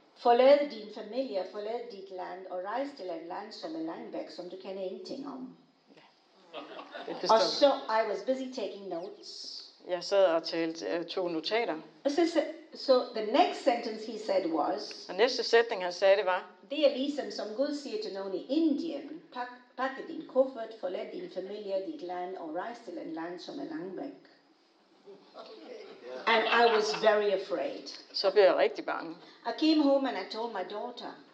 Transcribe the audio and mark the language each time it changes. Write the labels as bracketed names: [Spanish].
[Danish] Forlad din familie, forlad dit land, og rejse til et land som en langbæk, som du kender ingenting om. [English] Yeah. [Danish] Og så, [English] I was busy taking notes. [Danish] Jeg sad og tog notater. [English] So the next sentence he said was. [Danish] Og næste sætning han sagde det var. Det er ligesom som Gud siger til nogen i Indien. Pak din kuffert, forlad din familie, dit land og rejse til en land som en langbæk. Okay. [English] And I was very afraid. [Danish] Så blev jeg rigtig bange. [English] I came home and I told my daughter.